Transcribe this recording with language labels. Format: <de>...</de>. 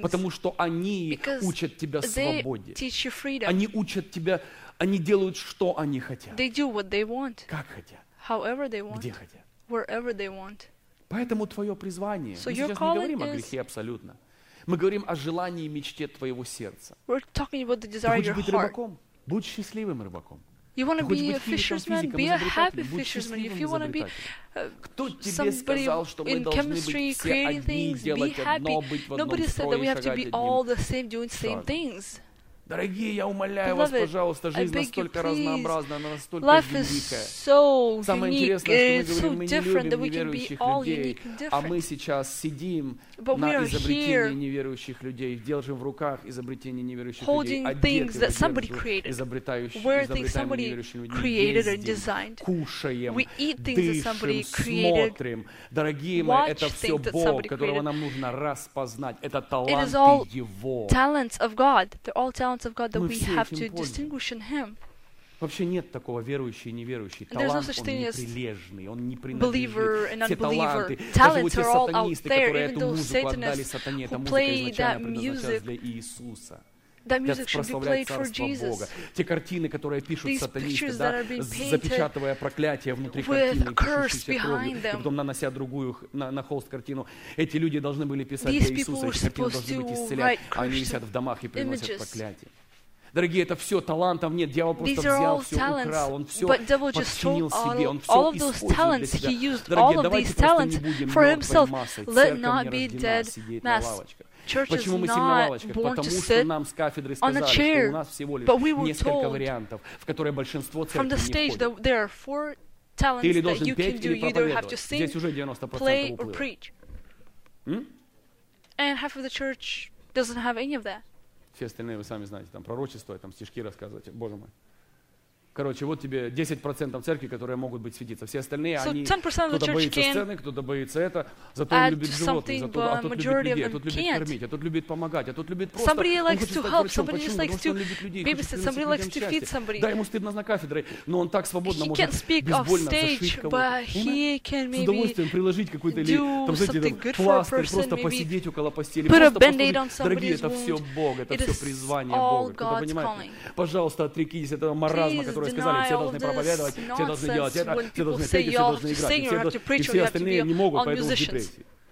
<ru>Потому что они учат тебя свободе. Они учат тебя, они делают, что они хотят. Как хотят. Где хотят. Поэтому твое призвание, мы сейчас не говорим о грехе абсолютно. Мы говорим о желании и мечте твоего сердца. Ты хочешь быть рыбаком? Будь счастливым рыбаком.</ru> <en>You want to be a fisherman? Be a happy fisherman. If you want to be somebody in chemistry, creating things, be happy. Nobody said that we have to be all the same, doing same things.</en> <ru>Дорогие, я умоляю вас, пожалуйста, жизнь настолько разнообразна, она настолько великая. Самое интересное, что мы говорим, мы не любим неверующих людей, а мы сейчас сидим на изобретении неверующих людей, держим в руках изобретение неверующих людей, одеты в одежду, изобретаемые неверующими людьми, ездим, кушаем, дышим, смотрим. Дорогие мои, это все Бог, которого нам нужно распознать. Это таланты Его.</ru> <en>Of God that we have to distinguish in Him.</en> <ru>Вообще нет такого верующий и неверующий. Талант, он неприлежный, он не принадлежит. Все таланты, даже вот те сатанисты, которые эту музыку отдали сатане, эта музыка изначально предназначалась для Иисуса.</ru> <en>That music should be played for Jesus.</en> <ru>Те картины, которые пишут сатанисты, да, запечатывая проклятие внутри картины, пишущейся кровью, и потом нанося другую на холст картину. Эти люди должны были писать для Иисуса, эти картины должны быть исцелять, а они висят в домах и приносят проклятие. Дорогие, это все талантов нет. Дьявол просто взял, все украл. Он все подчинил себе. Он все использовал для себя. Дорогие, давайте просто не будем мертвой массой. Церковь не рождена сидеть на лавочках. Почему мы сидим на лавочках? Потому что нам с кафедры сказали, chair, что у нас всего лишь несколько вариантов, в которые большинство церкви не входит. Ты или должен петь, или проповедовать. Sing, здесь уже 90% уплыло. Все остальные вы сами знаете, там пророчества, там стишки рассказывать, боже мой. Короче, вот тебе 10% церкви, которые могут быть светиться. Все остальные, они, кто-то боится сцены, кто-то боится это, зато он любит животных, зато, а тот любит людей, а тот любит кормить, а тот любит помогать, а тот любит просто...</ru> <en>Somebody likes to help, somebody just likes to babysit, somebody likes to feed somebody.</en> <ru>Да, ему стыдно за кафедрой, но он так свободно может безбольно зашить кого-то. С удовольствием приложить какой-то или, там, знаете, там, пластырь, просто посидеть около постели, просто послужить. Дорогие, это все Бог, это все призвание Бога. Кто-то понимает? Пожалуйста, отрекитесь этого маразма, которые сказали, все должны проповедовать, все должны делать это, все должны петь, все должны играть, и все остальные не могут, поэтому в депрессии.</ru>